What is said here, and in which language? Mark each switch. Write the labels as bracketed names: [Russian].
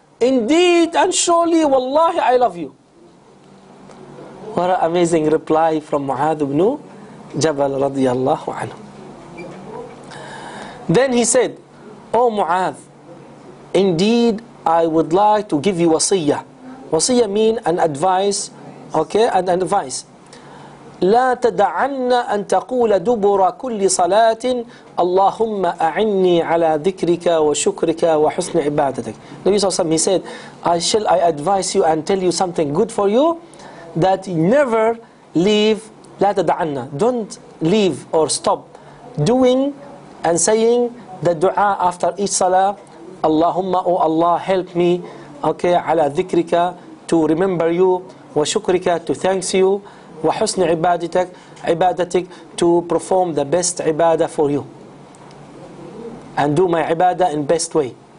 [English] Indeed and surely, wallahi, I love you. What an amazing reply from Mu'adh ibn Jabal radiyallahu anhu. Then he said, oh Mu'adh, indeed I would like to give you wasiyah. Wasiyah means an advice, okay, and an advice. [Arabic] لا تدعنا أن تقول دبر كل صلاة اللهم أعني على ذكرك وشكرك وحسن عبادتك. [English] Nabi Sallallahu Alaihi Wasallam, he said, I advise you and tell you something good for you, that you never leave, [Arabic] لا تدعنا, [English] don't leave or stop doing and saying the dua after each salah, اللهم, oh Allah, help me, okay, [Arabic] على ذكرك, [English] to remember you, وشكرك, to thanks you, [Arabic] وحسن عبادتك, [English] عبادتك, to perform the best ibadah for you and do my ibadah in best way.